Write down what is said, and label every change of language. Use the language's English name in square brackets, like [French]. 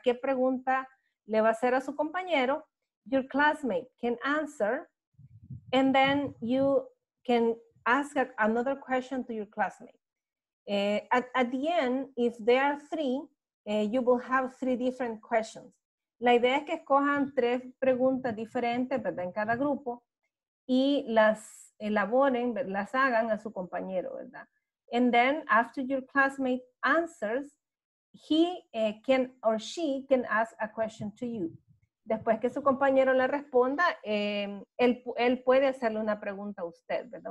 [Spanish] ¿Qué pregunta le va a hacer a su compañero? [English] Your classmate can answer. And then you can ask another question to your classmate. At the end, if there are three, you will have three different questions. [Spanish] La idea es que escojan tres preguntas diferentes, ¿verdad? En cada grupo y las elaboren, las hagan a su compañero, ¿verdad? [English] And then after your classmate answers, he can or she can ask a question to you. [Spanish] Después que su compañero le responda, él puede hacerle una pregunta a usted, ¿verdad?